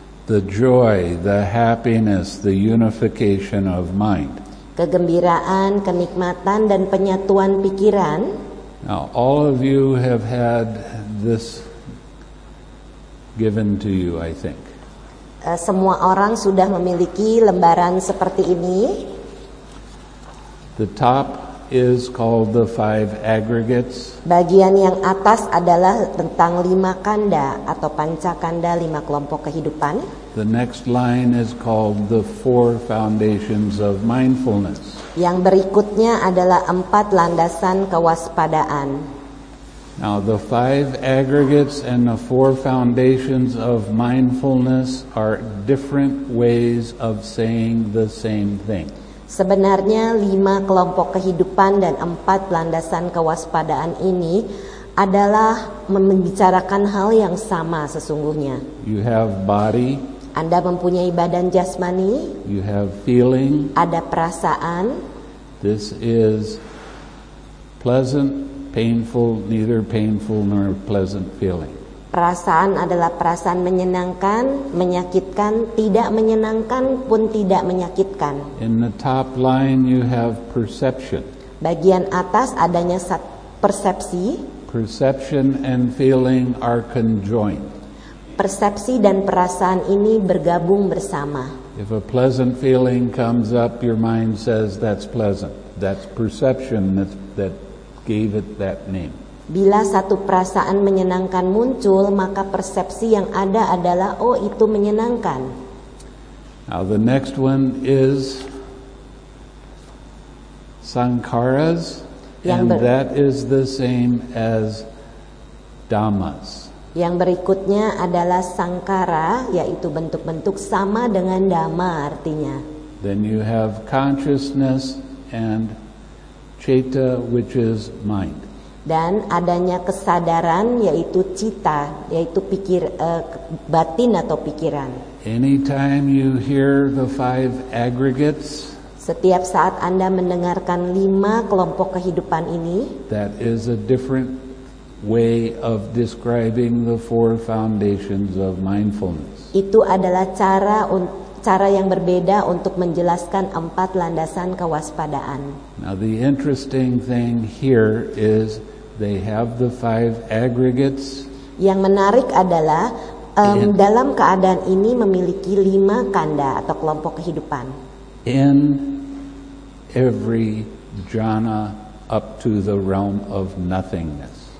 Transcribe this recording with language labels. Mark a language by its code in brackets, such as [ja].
[en] The joy, the happiness, the unification of mind. [id] Kegembiraan, kenikmatan, dan penyatuan pikiran. [en] Now, all of you have had this given to you, I think. [id] Semua orang sudah memiliki lembaran seperti ini. [en] The top is called the five aggregates. [id] Bagian yang atas adalah tentang lima kanda atau pancakanda, lima kelompok kehidupan. [en] The next line is called the four foundations of mindfulness. [id] Yang berikutnya adalah empat landasan kewaspadaan. [en] Now the five aggregates and the four foundations of mindfulness are different ways of saying the same thing. [id] Sebenarnya lima kelompok kehidupan dan empat landasan kewaspadaan ini adalah membicarakan hal yang sama sesungguhnya. [en] You have body. [id] Anda mempunyai badan jasmani. [en] You have feeling. [id] Ada perasaan. [en] This is pleasant, painful, neither painful nor pleasant feeling. [id] Perasaan adalah perasaan menyenangkan, menyakitkan, tidak menyenangkan pun tidak menyakitkan. [en] In the top line you have perception. [id] Bagian atas adanya persepsi. [en] Perception and feeling are conjoined. [id] Persepsi dan perasaan ini bergabung bersama. [en] If a pleasant feeling comes up, your mind says that's pleasant. That's perception that gave it that name. [id] Bila satu perasaan menyenangkan muncul, maka persepsi yang ada adalah, oh itu menyenangkan. [en] Now the next one is sankharas, that is the same as dhammas. [id] Yang berikutnya adalah sangkara, yaitu bentuk-bentuk sama dengan dhamma artinya. [en] Then you have consciousness and citta, which is mind. [id] Dan adanya kesadaran, yaitu cita, yaitu pikir, batin atau pikiran. [en] Anytime you hear the five aggregates, [id] setiap saat Anda mendengarkan lima kelompok kehidupan ini, [en] that is a different way of describing the four foundations of mindfulness. [id] Itu adalah cara yang berbeda untuk menjelaskan empat landasan kewaspadaan. [en] Now the interesting thing here is they have the five aggregates. [id] Yang menarik adalah Dalam keadaan ini memiliki lima kanda atau kelompok kehidupan. [en] In every jhana up to the realm of nothingness.